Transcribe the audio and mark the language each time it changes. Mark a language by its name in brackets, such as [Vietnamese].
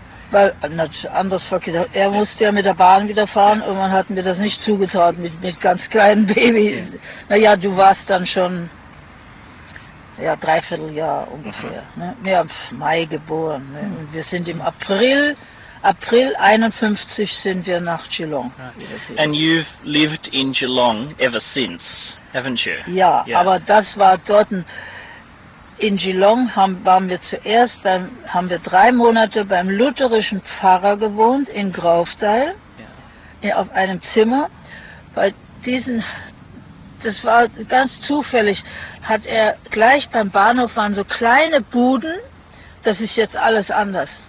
[German] Weil anders verkehrt, er musste ja mit der Bahn wieder fahren und man hat mir das nicht zugetraut mit ganz kleinen Baby. Naja, du warst dann schon ja, dreiviertel Jahr ungefähr. Ne? Ja, Mai geboren. Ne? Und wir sind im April 51 sind wir nach Geelong. [English] And you've lived in Geelong ever since, haven't you? [German] Ja, aber das war dort. In Geelong waren wir zuerst, haben wir 3 Monate beim lutherischen Pfarrer gewohnt, in Grovedale, auf einem Zimmer. Bei diesen, das war ganz zufällig, hat er gleich beim Bahnhof, waren so kleine Buden, das ist jetzt alles anders.